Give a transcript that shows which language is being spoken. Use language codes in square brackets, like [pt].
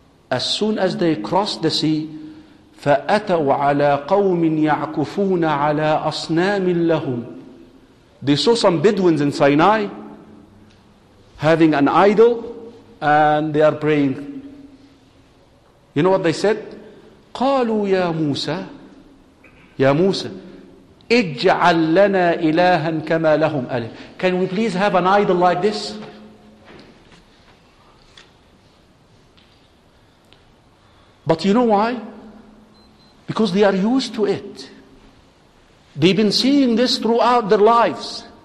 [en] As soon as they crossed the sea, [ar] فَأَتَوْا عَلَىٰ قَوْمٍ يَعْكُفُونَ عَلَىٰ أَصْنَامٍ لَهُمْ. [en] They saw some Bedouins in Sinai having an idol and they are praying. You know what they said? [ar] قَالُوا يَا مُوسَى, يَا مُوسَى, اجعل لنا إلها كما لهم آله. [en] Can we please have an idol like this? But you know why? Because they are used to it. They've been seeing this throughout their lives.